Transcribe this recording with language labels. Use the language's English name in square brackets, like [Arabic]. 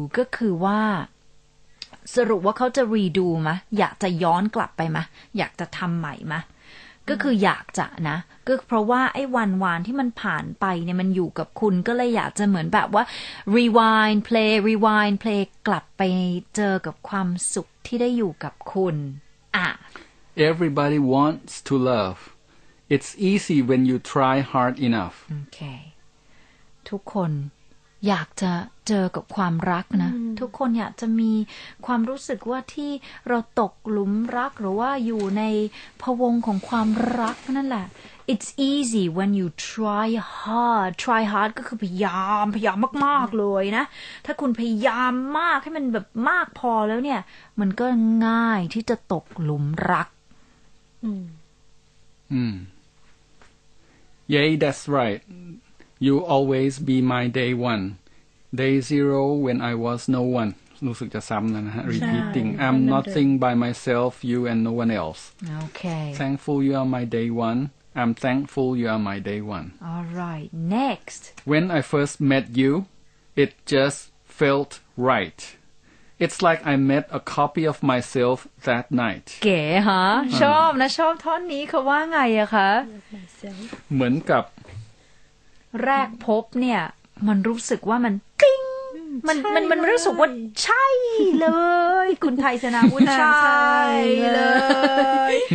[Thai] ก็คือว่าสรุปว่าเขาจะ redo มะอยากจะย้อนกลับไปมะอยากจะทำใหม่มะก็คืออยากจะนะก็เพราะว่าไอ้วันวานที่มันผ่านไปเนี่ยมันอยู่กับคุณก็เลยอยากจะเหมือนแบบว่า rewind play rewind play กลับไปเจอกับความสุขที่ได้อยู่กับคุณอ่ะ [English] Everybody wants to loveIt's easy when you try hard enough. Okay. [Thai] ทุกคนอยากจะเจอกับความรักนะ ทุกคนอยากจะมีความรู้สึกว่าที่เราตกหลุมรักหรือว่าอยู่ในพวงของความรักนั่นแหละ It's easy when you try hard. Try hard ก็คือพยายามมากๆเลยนะถ้าคุณพยายามมากให้มันแบบมากพอแล้วเนี่ยมันก็ง่ายที่จะตกหลุมรัก [English] Yeah, that's right. You always be my day one. Day zero when I was no one. [Thai] รู้สึกจะซ้ำนะฮะ repeating. [English] I'm nothing by myself, you and no one else. Okay. Thankful you are my day one. I'm thankful you are my day one. All right, next. When I first met you, it just felt right. It's like I met a copy of myself that night. [Thai] เก๋ฮะชอบนะชอบท่อนนี้เขาว่าไงอะคะ เหมือนกับ แรกพบเนี่ยมันรู้สึกว่ามันติ๊งมันรู้สึกว่าใช่เลยคุณไทยสนาวุฒิ ใช่เลย